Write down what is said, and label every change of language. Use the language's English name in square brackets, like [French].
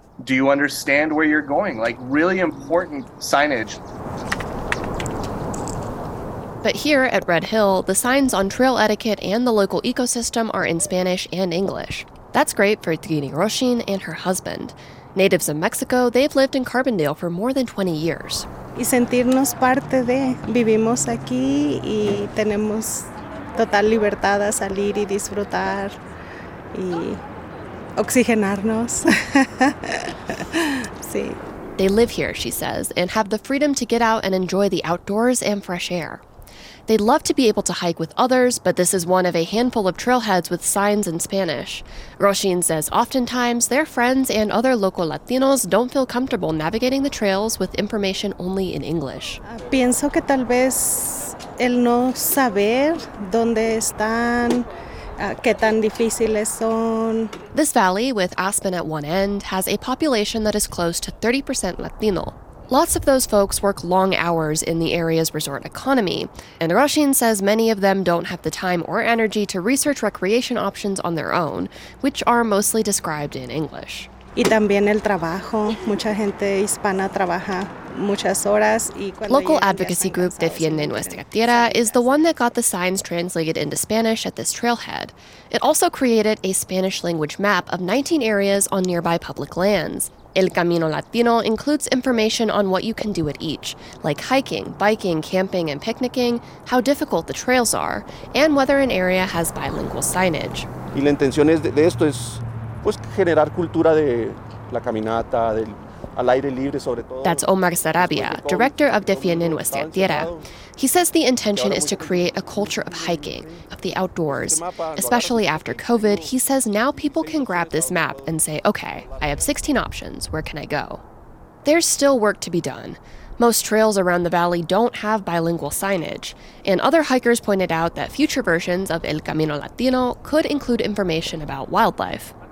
[English] Do you understand where you're going? Like, really important signage. But here at Red Hill, the signs on trail etiquette and the local ecosystem are in Spanish and English. That's great for Trini Roshin and her husband. Natives of Mexico, they've lived in Carbondale for more than 20 years. [Spanish] Y sentirnos parte de, vivimos aquí y tenemos total libertad a salir y disfrutar y oxigenarnos. Sí. [English] They live here, she says, and have the freedom to get out and enjoy the outdoors and fresh air. They'd love to be able to hike with others, but this is one of a handful of trailheads with signs in Spanish. Roshin says oftentimes their friends and other local Latinos don't feel comfortable navigating the trails with information only in English. [Spanish] Pienso que tal vez el no saber dónde están, qué tan difíciles son. [English] This valley, with Aspen at one end, has a population that is close to 30% Latino. Lots of those folks work long hours in the area's resort economy, and Roshin says many of them don't have the time or energy to research recreation options on their own, which are mostly described in English. [Spanish] Y también el trabajo. Mucha gente hispana trabaja muchas horas. [English] Local advocacy group Defiende Nuestra Tierra is the one that got the signs translated into Spanish at this trailhead. It also created a Spanish-language map of 19 areas on nearby public lands. El Camino Latino includes information on what you can do at each, like hiking, biking, camping, and picnicking, how difficult the trails are, and whether an area has bilingual signage. [Spanish] Y la intención es de esto es pues generar cultura de la caminata, del al aire libre sobre todo. [English] That's Omar Sarabia, director of Defiende Nuestra Tierra. He says the intention is to create a culture of hiking, of the outdoors. Especially after COVID, he says now people can grab this map and say, okay, I have 16 options, where can I go? there's still work to be done. Most trails around the valley don't have bilingual signage, and other hikers pointed out that future versions of El Camino Latino could include information about wildlife.